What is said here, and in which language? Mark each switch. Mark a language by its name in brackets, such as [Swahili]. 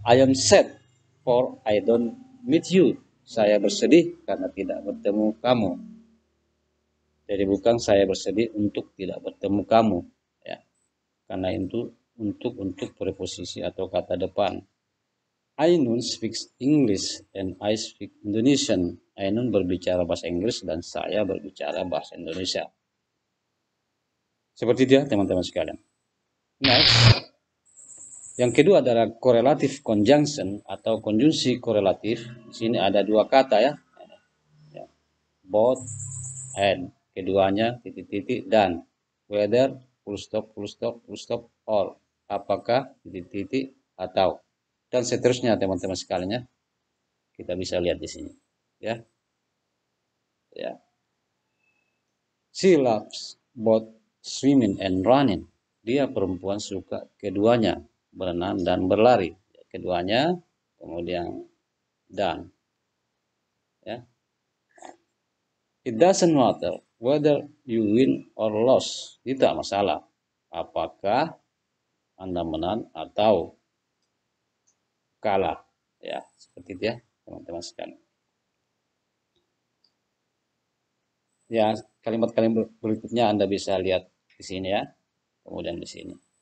[English] I am sad for I don't meet you. [Indonesian] Saya bersedih karena tidak bertemu kamu. Jadi bukan saya bersedih untuk tidak bertemu kamu, ya. Karena itu untuk preposisi atau kata depan. [English] I non speak English and I speak Indonesian. [Indonesian] I non berbicara bahasa Inggris dan saya berbicara bahasa Indonesia. Seperti itu ya, teman-teman sekalian. Next. Yang kedua adalah correlative conjunction atau konjungsi korelatif. Di sini ada dua kata ya. [English] Both and. [Indonesian] Keduanya titik-titik dan. [English] Whether, full stop, all. [Indonesian] Apakah, titik-titik, atau. Dan seterusnya teman-teman sekalian ya. Kita bisa lihat di sini. Ya. Ya. [English] She loves both swimming and running. [Indonesian] Dia perempuan suka keduanya. Berenang dan berlari. Keduanya, kemudian dan. Ya. [English] It doesn't matter whether you win or lose. [Indonesian] Tidak masalah. Apakah Anda menang atau kalah. Ya, seperti itu ya, teman-teman sekalian. Ya, kalimat-kalimat berikutnya Anda bisa lihat di sini ya. Kemudian di sini.